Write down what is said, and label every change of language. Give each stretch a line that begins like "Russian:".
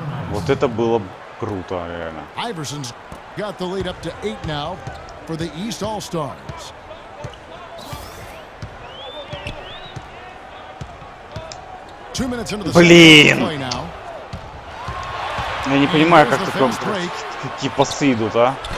Russian: Вот это было круто, реально.
English: Iverson's got the lead up to 8 now. For the East All-Stars. Two minutes into the second play now.
Russian: Я не понимаю, как такие пасы идут, а?